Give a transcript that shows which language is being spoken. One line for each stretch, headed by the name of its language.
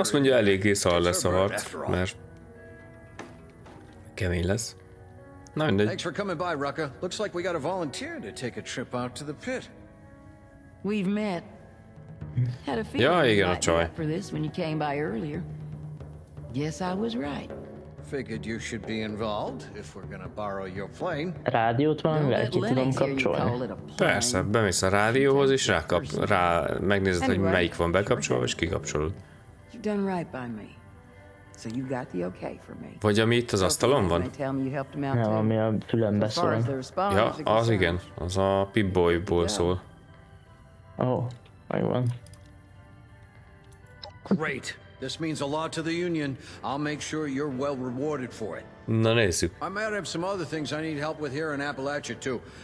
Hungarian: Azt mondja, eléggé szar lesz a harc, mert kemény lesz. Na, mindegy.
English: Thanks for coming by, Rucker. Looks like we got a volunteer to take a trip out to the pit. We've met. Had a feeling.
Hungarian: Ja, igen, a csaj.
English: For this when you came by earlier. Guess I was right. Figured you should be involved if we're gonna borrow your plane.
Hungarian: Rádiót van, ki tudom kapcsolni. Persze, bemész a rádióhoz és rá megnézed, hogy melyik van bekapcsolva és kikapcsolod.
English: You've done right by me. So you got the okay for me.
Hungarian: Vagy ami itt az asztalon van? Nem, ami a fülembe szól. Ja, az igen, az a Pip-Boy-ból szól.
English: Oh, I won. Great. This means a lot to the Union. I'll make sure you're well rewarded for it.
Hungarian: Na nézzük.
English: I might have some other things I need help with here in Appalachia too.